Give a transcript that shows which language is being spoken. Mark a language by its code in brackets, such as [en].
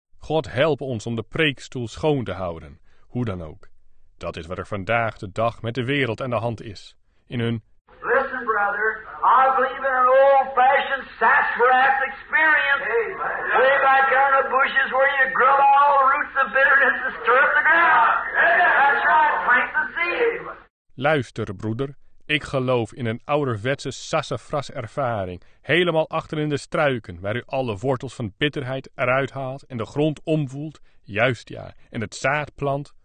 [nl] God help ons om de preekstoel schoon te houden, hoe dan ook. Dat is wat er vandaag de dag met de wereld aan de hand is. In hun... [en] Listen, brother. I believe in an old-fashioned sassafras experience. Amen. Way back down the bushes where you grill all the roots of bitterness and stir up the ground. Amen. That's right, plant the seed. [nl] Luister, broeder. Ik geloof in een ouderwetse sassafras-ervaring, helemaal achterin de struiken, waar u alle wortels van bitterheid eruit haalt en de grond omvoelt. Juist ja, en het zaad plant.